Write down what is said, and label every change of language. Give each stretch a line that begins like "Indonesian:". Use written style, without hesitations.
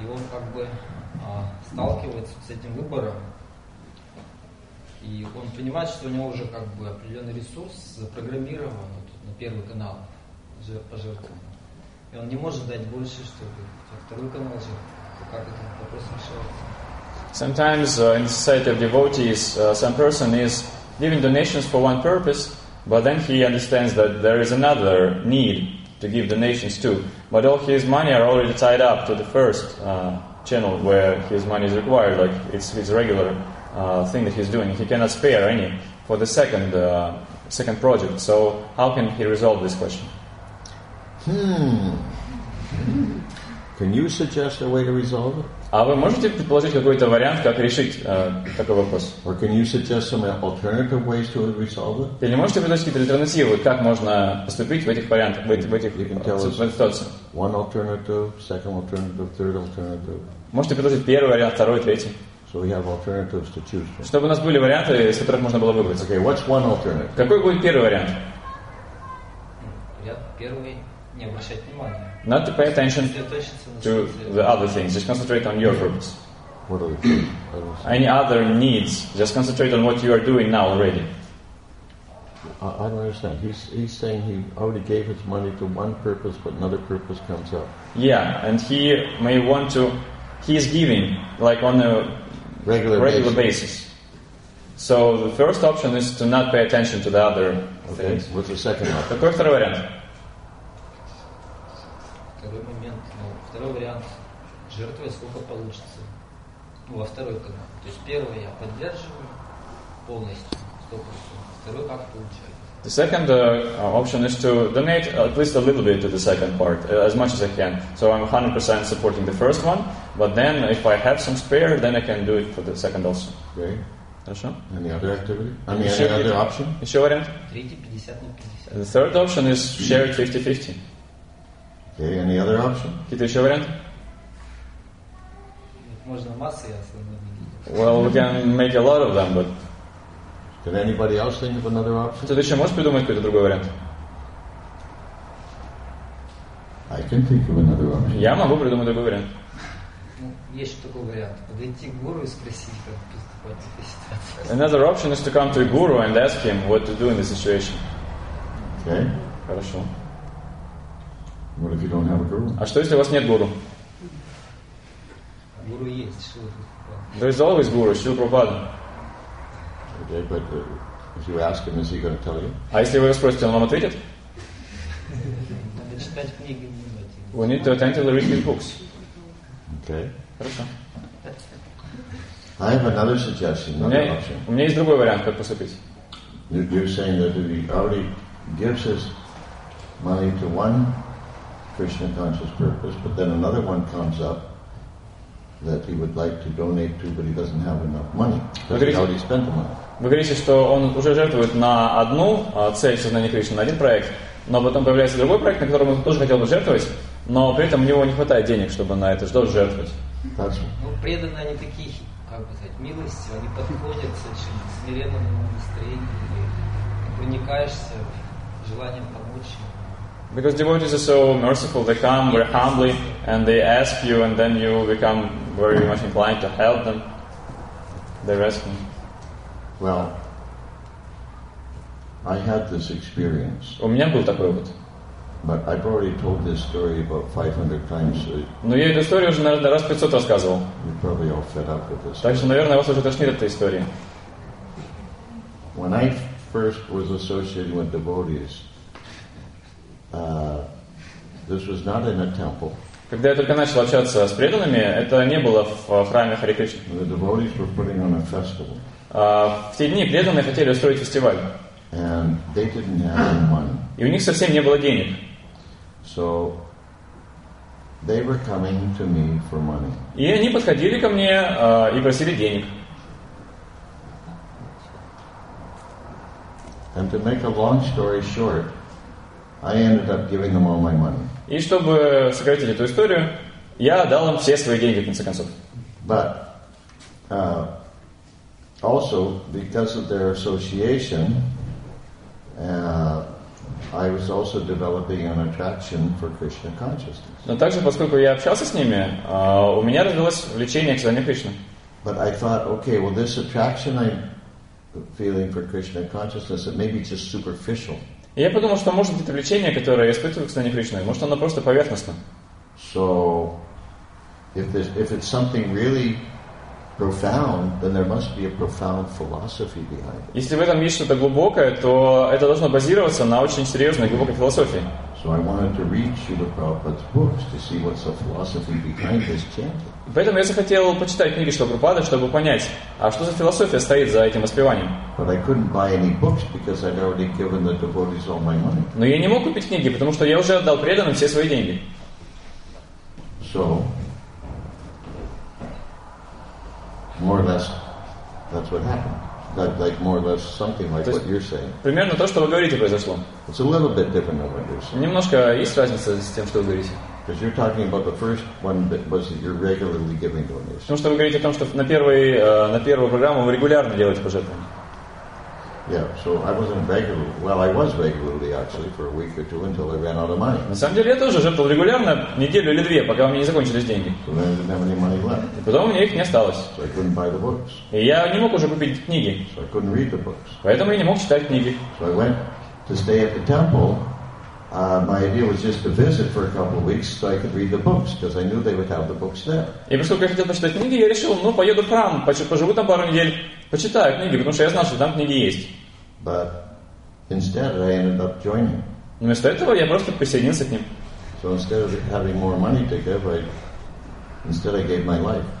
Russian: И он как бы сталкивается с этим выбором. И он понимает, что у него уже как бы определенный ресурс запрограммирован вот, на первый канал пожертвования. И он не может дать больше, чтобы второй канал жертвовать. Как это вопрос решается?
English: Sometimes in the society of devotees, some person is giving donations for one purpose, but then he understands that there is another need to give donations to. But all his money are already tied up to the first channel where his money is required, like it's his regular thing that he's doing. He cannot spare any for the second project. So how can he resolve this question? Can you suggest a way to resolve it?
Russian: А вы можете предположить какой-то вариант, как решить такой вопрос?
English: Or can you suggest some alternative ways to resolve it?
Russian: Или можете предложить какие-то альтернативы, как можно поступить в этих вариантах, в этих ситуациях?
English: One alternative, second alternative, third alternative.
Russian: Можете предложить первый вариант, второй, третий.
English: So we have alternatives to choose from.
Russian: Чтобы у нас были варианты, из которых можно было выбрать.
English: Okay, what's one alternative?
Russian: Какой будет первый вариант? Не обращать внимания.
English: Not to pay attention to the other things. Just concentrate on your purpose. What are the things? Any other needs? Just concentrate on what you are doing now already. I don't understand. He's saying he already gave his money to one purpose, but another purpose comes up. Yeah, and he may want to. He is giving like on a regular basis. So the first option is to not pay attention to the other things. Okay. What's the second option?
Russian: Какой второй вариант? Второй момент. Ну, второй вариант. Жертвовать сколько получится. Ну, во второй канал. То есть первый я поддерживаю полностью, 100%. Второй как получается.
English: The second option is to donate at least a little bit to the second part, as much as I can. So I'm 100% supporting the first one. But then if I have some spare, then I can do it for the second also. Okay.
Russian: Хорошо.
English: Any other activity? Any other option?
Russian: Еще вариант? Третий 50 на 50.
English: The third option is shared 50-50. Okay, any other option?
Russian: Какие-то еще варианты? Можно массы, основные.
English: Well, we can make a lot of them, but... Can anybody else think of another option?
Russian: Ты еще можешь придумать какой-то другой вариант?
English: I can think of another option.
Russian: Я могу придумать другой вариант. Ну, есть еще такой вариант. Подойти к гуру и спросить, как поступать в этой ситуации.
English: Another option is to come to a guru and ask him what to do in this situation. Okay.
Russian: Хорошо.
English: What if you don't have a guru?
Russian: А что если у вас нет гуру? Гуру есть, Шрила.
English: There is always guru, Шрила Прабхупада. Okay, but if you ask him, is he going to tell you?
Russian: А если вы его спросите, он вам ответит? Надо читать книги внимательно.
English: We need to attentively read his books. Okay.
Russian: Хорошо.
English: I have another suggestion, another option.
Russian: У меня есть другой вариант, как поступить.
English: You're saying that if he already gives his money to one Krishna conscious purpose, but then another one comes up that he would like to donate to, but he doesn't have enough money. He already spent the money.
Russian: Вы говорите, что он уже жертвует на одну цель сознания Кришны, на один проект, но потом появляется другой проект, на котором он тоже хотел бы жертвовать, но при этом у него не хватает денег, чтобы на это что-то жертвовать.
English: That's...
Russian: Ну, преданные они такие, как бы сказать, милостью, они подходят с очень смиренным настроением, проникаешься желанием помочь им.
English: Because devotees are so merciful, they come very humbly and they ask you, and then you become very much inclined to help them. They're asking. Well, I had this experience.
Russian: У меня был такой опыт.
English: But I've already told this story about 500 times.
Russian: Но я эту историю уже, наверное, раз 500 рассказывал.
English: You're probably all fed up with this.
Russian: Так что, наверное, вас уже тошнит эта история.
English: When I first was associated with devotees, this was not in a temple.
Russian: Когда я только начал общаться с преданными, это не было в храме Харе Кришна.
English: The devotees were putting on a festival.
Russian: В те дни преданные хотели устроить фестиваль.
English: And they didn't have any money.
Russian: И у них совсем не было денег.
English: So they were coming to me for money.
Russian: И они подходили ко мне и просили денег.
English: And to make a long story short, I ended up giving them all my money.
Russian: И чтобы сократить эту историю, я дал им все свои деньги, в конце концов.
English: But also because of their association, I was also developing an attraction for Krishna consciousness.
Russian: Но также, поскольку я общался с ними, у меня развилось влечение к сознанию Кришны.
English: But I thought, okay, well, this attraction I'm feeling for Krishna consciousness, it may be just superficial.
Russian: И я подумал, что может быть это влечение, которое я испытываю к сознанию Кришны, может оно просто поверхностно.
English: So, if it's something really profound, then there must be a profound philosophy behind it.
Russian: Если в этом есть что-то глубокое, то это должно базироваться на очень серьезной глубокой философии.
English: So I wanted to read Srila Prabhupada's books to see what's the philosophy behind this chanting.
Russian: Поэтому я захотел почитать книги Шрилы Прабхупады, чтобы понять, а что за философия стоит за этим воспеванием.
English: But I couldn't buy any books because I'd already given the devotees all my money.
Russian: Но я не мог купить книги, потому что я уже отдал преданным все свои деньги.
English: So. More or less, that's what happened. That, like more or less, something like what you're saying.
Russian: Примерно то, что вы говорите, произошло.
English: It's a little bit different than what you're saying.
Russian: Немножко есть разница с тем, что вы говорите.
English: Because you're talking about the first one that was that you're regularly giving donations.
Russian: Потому что вы говорите о том, что на первую программу вы регулярно делаете пожертвования.
English: Yeah, so I wasn't regularly. Well, I was regularly actually for a week or two until I ran out of money.
Russian: На самом деле я тоже жертвовал регулярно неделю или две, пока у меня не закончились деньги.
English: So then I didn't have any money left.
Russian: И потом у меня их не осталось.
English: So I couldn't buy the books.
Russian: И я не мог уже купить книги.
English: So I couldn't read the books.
Russian: Поэтому я не мог читать книги.
English: So I went to stay at the temple. My idea was just to visit for a couple of weeks so I could read the books because I knew they would have the books there.
Russian: И поскольку я хотел почитать книги, я решил, ну поеду в храм, поживу там пару недель, почитаю книги, потому что я знал, что там книги есть.
English: But instead, I ended up joining.
Russian: Вместо этого я просто присоединился к ним.
English: So instead of having more money to give, I gave my life.